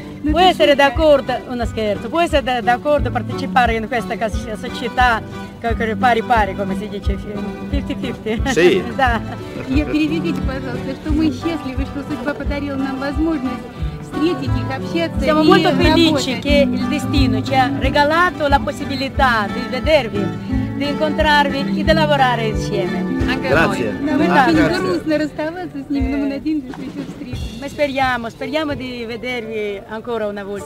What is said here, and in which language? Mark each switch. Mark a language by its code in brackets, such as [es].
[it] può essere d'accordo, uno scherzo, può essere d'accordo a partecipare in questa società pari pari, come si dice, 50-50. Sì. [ru] Да. Я переведите, пожалуйста, что мы счастливы, что судьба подарила нам возможность встретить их, общаться. [it] Siamo molto felici che il destino ci ha regalato la possibilità di vedervi, di incontrarvi e di lavorare insieme. Grazie. [ru] Нам очень грустно расставаться с ними, но мы надеемся, что еще встретимся. [it] Ma speriamo, speriamo di vedervi ancora una volta.